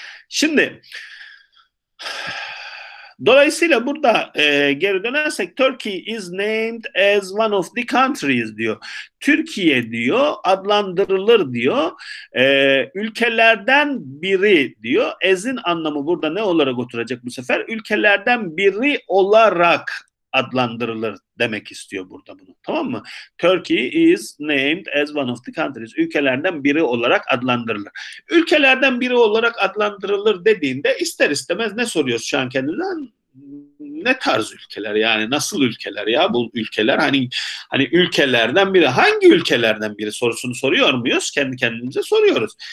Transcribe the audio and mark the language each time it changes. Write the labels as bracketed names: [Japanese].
[Turkish] Şimdi dolayısıyla burada geri dönersek [English] Turkey is named as one of the countries [Turkish] diyor. Türkiye diyor, adlandırılır diyor. Ülkelerden biri diyor. As'in anlamı burada ne olarak oturacak bu sefer? Ülkelerden biri olarak adlandırılır demek istiyor burada bunu. Tamam mı? [English] Turkey is named as one of the countries. [Turkish] Ülkelerden biri olarak adlandırılır. Ülkelerden biri olarak adlandırılır dediğinde ister istemez ne soruyoruz şu an kendinden? ne tarz ülkeler, yani nasıl ülkeler ya bu ülkeler, hani ülkelerden biri, hangi ülkelerden biri sorusunu soruyor muyuz, kendi kendimize soruyoruz.